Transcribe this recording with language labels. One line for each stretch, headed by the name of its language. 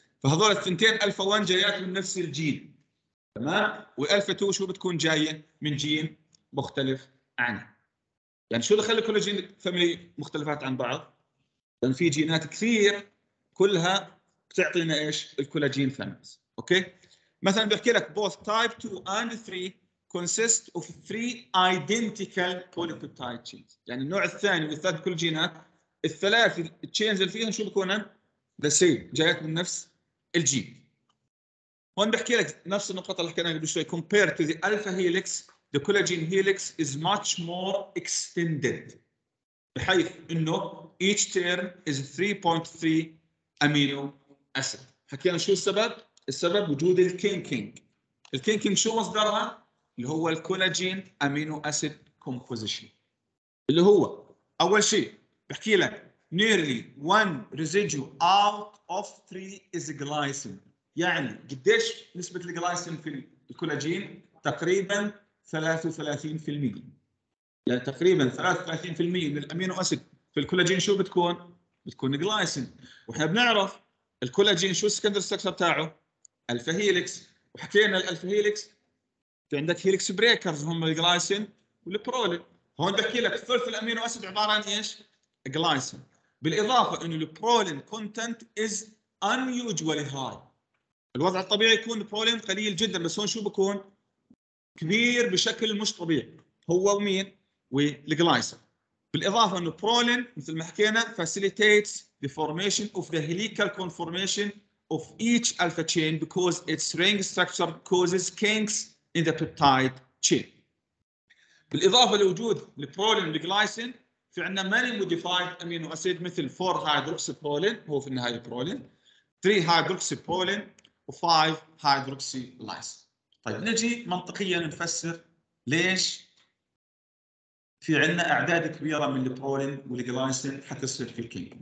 Arabic: فهذول الثنتين ألفا 1 جايات من نفس الجين، تمام؟ وألفا 2 شو بتكون جاية من جين مختلف عنها. يعني شو اللي خلى الكولاجين فاميلي مختلفات عن بعض؟ لأن في جينات كثير كلها بتعطينا إيش؟ الكولاجين فاميليز. أوكي؟ مثلاً بحكي لك
English: both type 2 and 3 consist of three identical polypeptide chains.
Arabic: يعني النوع الثاني والثالث كل جينات الثلاث chains اللي فيهم شو بكونن؟
English: the same،
Arabic: جايات من نفس الجين. هون بحكي لك نفس النقطة اللي حكينا قبل شوي،
English: compared to the alpha helix the collagen helix is much more extended،
Arabic: بحيث إنه
English: each turn is 3.3 amino acid.
Arabic: حكينا شو السبب؟ السبب وجود الكينكينج. الكينكينج شو مصدرها؟ اللي هو الكولاجين
English: amino acid composition.
Arabic: اللي هو أول شيء بحكي لك
English: nearly one residue out of three is glycine.
Arabic: يعني قديش نسبة الجلايسين في الكولاجين؟ تقريبا 33%. يعني تقريبا 33% من الامينو اسيد في الكولاجين شو بتكون؟ بتكون جلايسين. واحنا بنعرف الكولاجين شو السكندر ستكشر تاعه؟ الفا هيليكس. وحكينا الالفا هيليكس في عندك هيليكس بريكرز هم الجلايسين والبرولين. هون بحكي لك ثلث الامينو اسيد عباره عن ايش؟ جلايسين. بالاضافه انه البرولين كونتنت از انيوجوالي هاي. الوضع الطبيعي يكون البرولين قليل جدا، بس هون شو بكون؟ كبير بشكل مش طبيعي. هو ومين؟ والجلايسين. بالاضافه انه برولين مثل ما حكينا
English: facilitates the formation of the helical conformation of each alpha chain because its ring structure causes kinks in the peptide chain.
Arabic: بالاضافه لوجود البرولين والجلايسين في عندنا
English: many modified amino acid
Arabic: مثل 4 hydroxyprolin هو في النهايه برولين، 3 hydroxyprolin و5 hydroxylase. طيب نجي منطقيا نفسر ليش في عندنا اعداد كبيره من البرولين والجلايسين حتصير في الكينج.